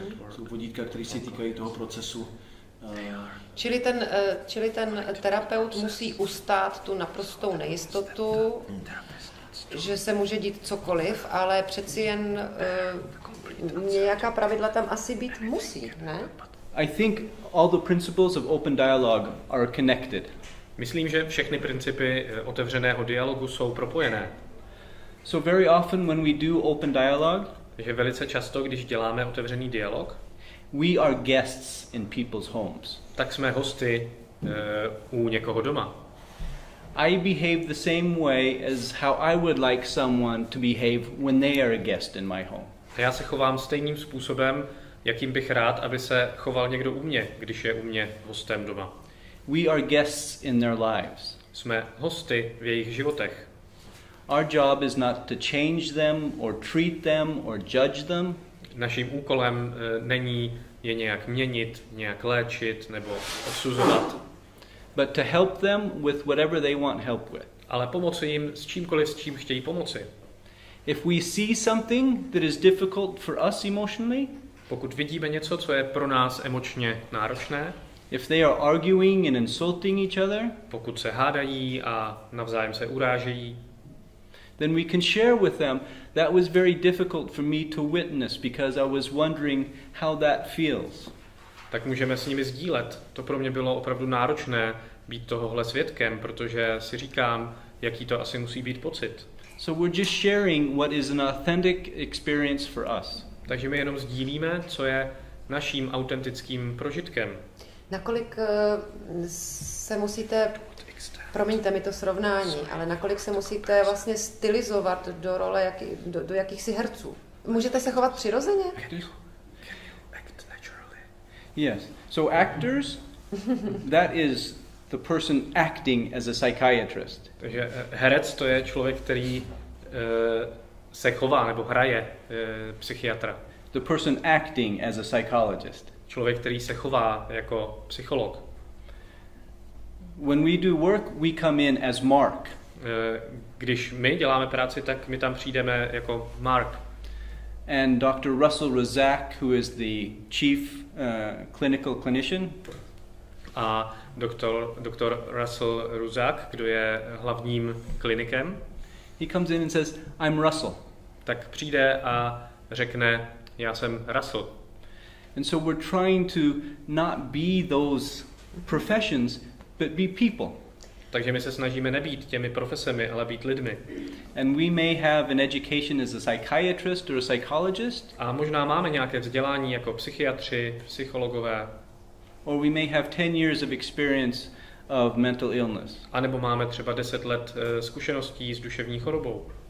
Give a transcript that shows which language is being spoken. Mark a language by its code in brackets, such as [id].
[cs] Jsou vodítka, které se týkají toho procesu. Čili ten terapeut musí ustát tu naprostou nejistotu, že se může dít cokoliv, ale přeci jen nějaká pravidla tam asi být musí, ne? [en] I think all the principles of open dialogue are connected. [cs] Myslím, že všechny principy otevřeného dialogu jsou propojené. [en] So very often when we do open dialogue, [cs] že velice často, když děláme otevřený dialog, [en] we are guests in people's homes. [cs] Tak jsme hosty u někoho doma. [en] I behave the same way as how I would like someone to behave when they are a guest in my home. [cs] A já se chovám stejným způsobem, jakým bych rád, aby se choval někdo u mě, když je u mě hostem doma. [en] We are guests in their lives. [cs] Jsme hosty v jejich životech. [en] Our job is not to change them or treat them or judge them. [cs] Naším úkolem není je nějak měnit, nějak léčit nebo odsuzovat. [en] But to help them with whatever they want help with. [cs] Ale pomoci jim s čímkoliv, s čím chtějí pomoci. [en] If we see something that is difficult for us emotionally, [cs] pokud vidíme něco, co je pro nás emočně náročné, [en] if they are arguing and insulting each other, [cs] pokud se hádají a navzájem se urážejí, [en] then we can share with them that was very difficult for me to witness because I was wondering how that feels. [cs] Tak můžeme s nimi sdílet. To pro mě bylo opravdu náročné být tohohle svědkem, protože si říkám, jaký to asi musí být pocit. [en] So we're just sharing what is an authentic experience for us. [cs] Takže my jenom sdílíme, co je naším autentickým prožitkem. Nakolik se musíte, promiňte mi to srovnání, ale nakolik se musíte vlastně stylizovat do role jaký, do jakýchsi herců? Můžete se chovat přirozeně? [en] Yes. So actors, that is the person acting as a psychiatrist. [cs] Takže herec to je člověk, který se chová nebo hraje psychiatra. [en] The person acting as a psychologist. [cs] Člověk, který se chová jako psycholog. [en] When we do work, we come in as Mark. [cs] Když my děláme práci, tak my tam přijdeme jako Mark. [en] And Dr. Russell Rozak, who is the chief clinical clinician. [cs] A doktor Russell Rozak, kdo je hlavním klinikem. [en] He comes in and says, I'm Russell. [cs] Tak přijde a řekne, já jsem Russell. [en] And so we're trying to not be those professions, but be people. [cs] Takže my se snažíme nebýt těmi profesemi, ale být lidmi. [en] And we may have an education as a psychiatrist or a psychologist. [cs] A možná máme nějaké vzdělání jako psychiatři, psychologové. [en] Or we may have 10 years of experience of mental illness. [cs] A nebo máme třeba 10 let zkušeností s duševní chorobou.